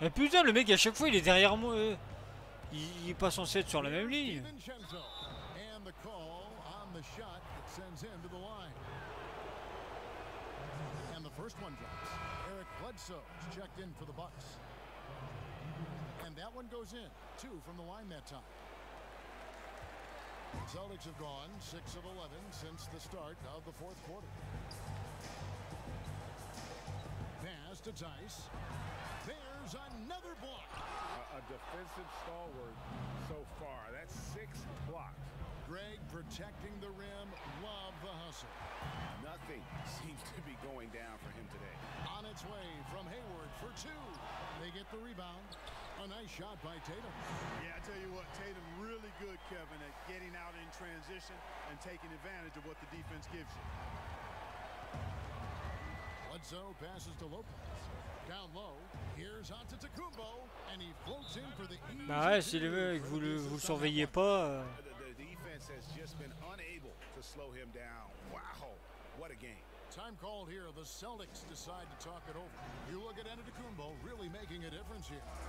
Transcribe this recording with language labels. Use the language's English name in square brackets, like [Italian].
[French] Mais putain, le mec, à chaque fois, il est derrière moi. Il est pas censé être sur la même ligne. [English] And the call on the shot that sends him to the line. And the first one drops. Eric Bledsoe checked in for the Bucks. And that one goes in. Two from the line that time. The Celtics have gone 6 of 11 since the start of the fourth quarter. Pass to Tice. There's another block. A defensive stalwart so far. That's 6 blocks. Greg protecting the rim. Love the hustle. Nothing seems to be going down for him today. On its way from Hayward for 2. They get the rebound. A nice shot by Tatum. Yeah, I tell you what, Tatum really good, Kevin, at getting out in transition and taking advantage of what the defense gives you. Bledsoe passes to Lopez. Down low, here's Antetokounmpo, and he floats in for the easy. [French] Bah ouais, si le mec, vous le surveillez pas. [English] The defense has just been unable to slow him down. Wow, what a game. Time called here, the Celtics decide to talk it over. You look at Antetokounmpo really making a difference here.